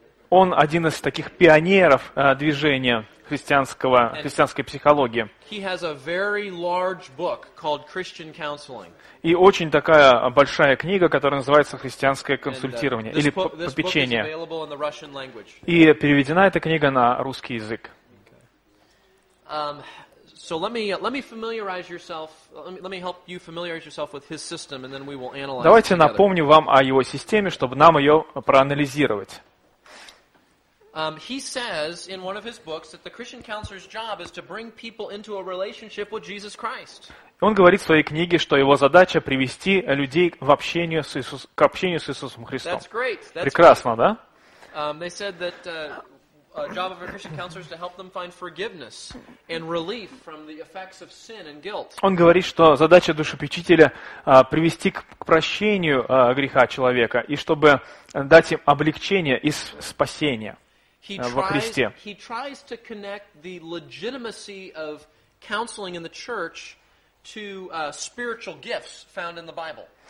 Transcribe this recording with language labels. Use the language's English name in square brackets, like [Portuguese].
[Russian] Он один из таких пионеров движения христианской психологии. [English] He has a very large book called Christian Counseling. [Russian] И очень такая большая книга, которая называется «Христианское консультирование» или «Попечение». И переведена эта книга на русский язык. [English] So let me familiarize yourself. Let me help you familiarize yourself with his system, and then we will analyze. [Russian] Давайте напомню вам о его системе, чтобы нам ее проанализировать. [English] He says in one of his books that the Christian counselor's job is to bring people into a relationship with Jesus Christ. [Russian] Он говорит в своей книге, что его задача привести людей к общению с Иисусом Христом. [English] That's great. [Russian] Прекрасно, да? [English] They said that. A job of a Christian counselor is to help them find forgiveness and relief from the effects of sin and guilt. [Russian] Он говорит, что задача душепечителя привести к прощению греха человека и чтобы дать им облегчение и спасение во Христе. [English] He tries to connect the legitimacy of counseling in the church to spiritual gifts found in the Bible.